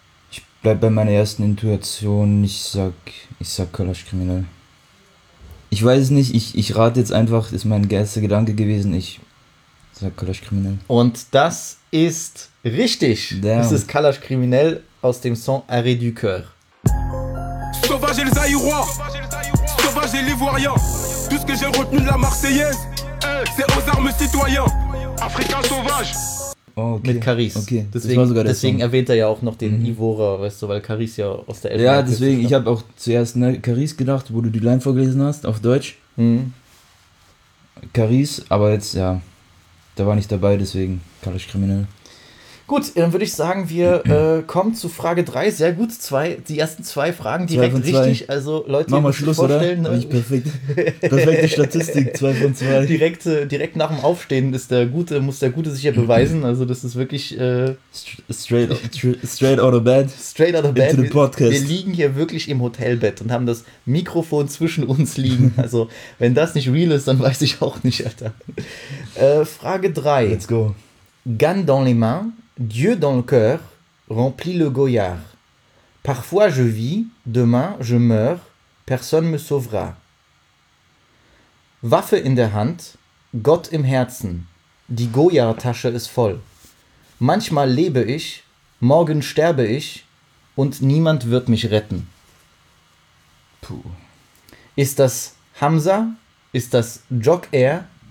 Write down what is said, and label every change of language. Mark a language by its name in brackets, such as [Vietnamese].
[German] Ich bleib bei meiner ersten Intuition. Ich sag Kalasch kriminell. Ich weiß es nicht. Ich rate jetzt einfach. Ist mein erster Gedanke gewesen. Ich sag Kalasch kriminell. Und das ist richtig. Damn. Das ist Kalasch kriminell aus dem Song Arrêt du Coeur. [French] Sauvage et le Zaïrois. Sauvage et l'Ivoirien. Tout ce que j'ai retenu de la Marseillaise. C'est aux armes citoyens. [German] Afrika Sauvage! Okay. Mit Caris. Okay. Deswegen erwähnt er ja auch noch den Ivora, weißt du, weil Caris ja aus der Elfenbeinküste ist. Ja, deswegen, ich habe auch zuerst Caris gedacht, wo du die Line vorgelesen hast, auf Deutsch. Caris, aber jetzt, ja, da war nicht dabei, deswegen Kalasch kriminell. Gut, dann würde ich sagen, wir kommen zu Frage 3. Sehr gut, die ersten zwei Fragen direkt zwei richtig. Zwei. Also Leute, machen wir Schluss, vorstellen, oder? Ich perfekt. Perfekte Statistik, 2 von 2. Direkt nach dem Aufstehen muss der Gute sich ja beweisen. Also das ist wirklich... [English] Straight out of bed. Into the podcast. [German] Wir liegen hier wirklich im Hotelbett und haben das Mikrofon zwischen uns liegen. Also wenn das nicht real ist, dann weiß ich auch nicht, Alter. Frage 3. [English] Let's go. [French] Gun dans les mains, Dieu dans le cœur, remplit le goyard. Parfois je vis, demain je meurs, personne me sauvera. [German] Waffe in der Hand, Gott im Herzen, die Goyard-Tasche ist voll. Manchmal lebe ich, morgen sterbe ich und niemand wird mich retten. Puh. Ist das Hamza? Ist das Jock Air?